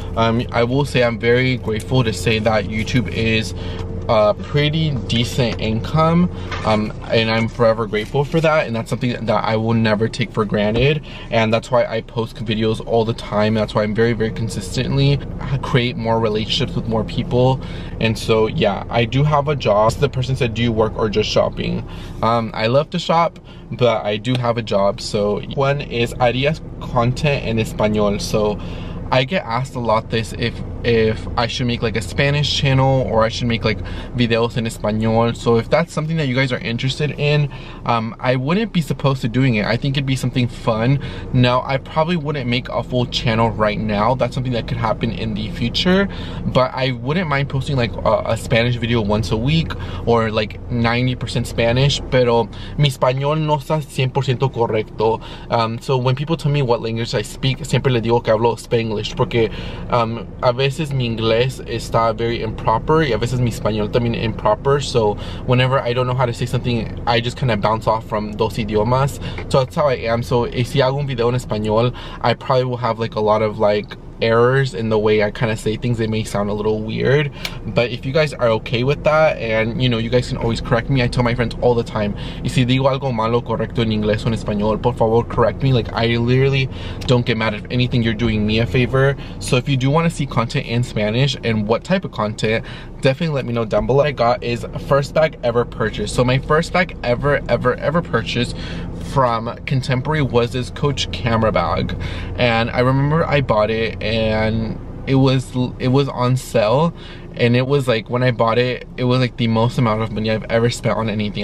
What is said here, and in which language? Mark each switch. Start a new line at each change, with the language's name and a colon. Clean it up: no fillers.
English: I will say I'm very grateful to say that YouTube is a pretty decent income, and I'm forever grateful for that, and that's something that I will never take for granted. And that's why I post videos all the time. That's why I'm very, very consistently create more relationships with more people. And so yeah, I do have a job. The person said, do you work or just shopping? I love to shop, but I do have a job. So one is,
Spanish: ¿harías content en español?
English: So I get asked a lot this, if I should make like a Spanish channel or I should make like videos in Espanol. So if that's something that you guys are interested in, I wouldn't be supposed to doing it. I think it'd be something fun. Now, I probably wouldn't make a full channel right now. That's something that could happen in the future, but I wouldn't mind posting like a Spanish video once a week or like 90% Spanish,
Spanish: pero mi español no está 100% correcto.
English: So when people tell me what language I speak,
Spanish: siempre le digo que hablo Spanglish, porque a veces mi inglés está
English: very improper,
Spanish: y a veces mi español también improper.
English: So whenever I don't know how to say something, I just kind of bounce off from
Spanish: dos idiomas.
English: So that's how I am. So
Spanish: si hago un video en español,
English: I probably will have like a lot of like errors in the way I kind of say things. They may sound a little weird, but if you guys are okay with that, and you know, you guys can always correct me. I tell my friends all the time,
Spanish: y si digo algo malo correcto en inglés o en español, por favor
English: correct me. Like, I literally don't get mad at anything. You're doing me a favor. So if you do want to see content in Spanish and what type of content, definitely let me know down below. What I got is, first bag ever purchased. So my first bag ever purchased from Contemporary was this Coach camera bag, and I remember I bought it, and it was on sale, and it was like, when I bought it, it was like the most amount of money I've ever spent on anything.